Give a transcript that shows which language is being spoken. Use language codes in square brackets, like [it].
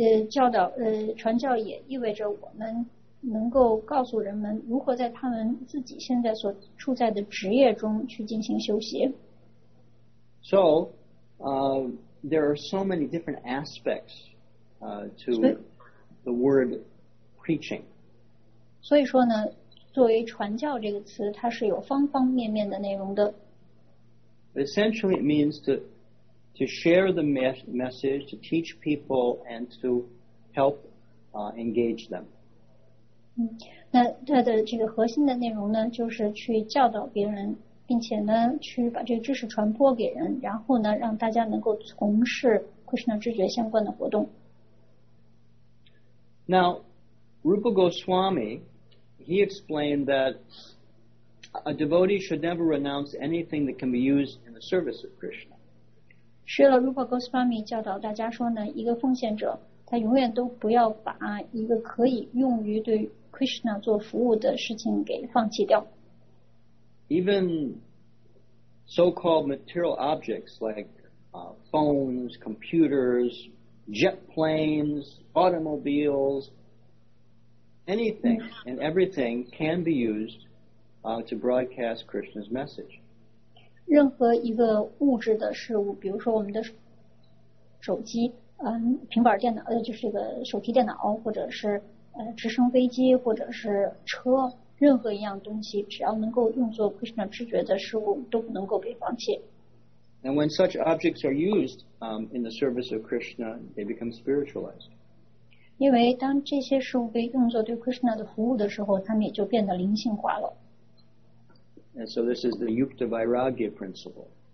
[zh] 教导传教也意味着我们能够告诉人们如何在他们自己现在所处在的职业中去进行修习。 [en] So, there are so many different aspects to the word preaching. [zh] 所以说呢，作为传教这个词，它是有方方面面的内容的。 [en] Essentially, it means to share the message, to teach people, and to help engage them. [zh] 那它的这个核心的内容呢，就是去教导别人，并且呢，去把这个知识传播给人，然后呢，让大家能够从事 Krishna 知觉相关的活动。 [en] Now, Rupa Goswami, he explained that a devotee should never renounce anything that can be used in the service of Krishna. [zh] 是了 Rupa Goswami 教导大家说呢，一个奉献者，他永远都不要把一个可以用于对 Krishna 做服务的事情给放弃掉。 [en] Even so-called material objects like phones, computers, jet planes, automobiles, anything and everything can be used to broadcast Krishna's message. [zh] 任何一个物质的事物，比如说我们的手机，平板电脑，就是这个手提电脑，或者是直升飞机，或者是车，任何一样东西，只要能够用作 Krishna 知觉的事物，都不能够被放弃。 [en] And when such objects are used in the service of Krishna, they become spiritualized. [zh] 因为当这些事物被用作对 Krishna 的服务的时候，它们也就变得灵性化了。 [en] And so this is the Yukta Vairagya principle.